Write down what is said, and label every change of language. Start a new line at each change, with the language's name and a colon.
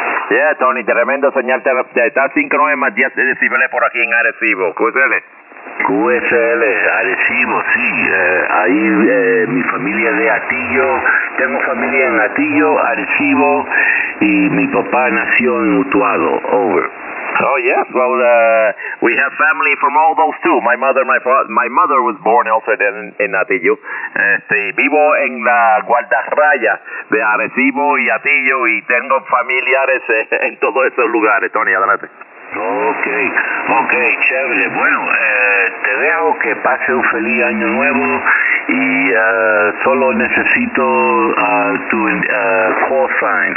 Spanish: Yeah, Tony, tremendo señal. Está 5-9 más 10 de decibeles por aquí en Arecibo. QSL. QSL, Arecibo, sí. Ahí mi familia de Atillo. Tengo familia en Atillo, Arecibo. Y mi papá nació en Utuado.
English: Over. Oh, yes. Well, we have family from all those two. My mother, my mother was born also in Atillo.
Spanish: Vivo en la guardarraya de Arecibo y Atillo y tengo familiares en todos esos lugares. Tony, adelante. Okay, chévere. Bueno, te dejo que pase un feliz año nuevo y solo necesito call sign.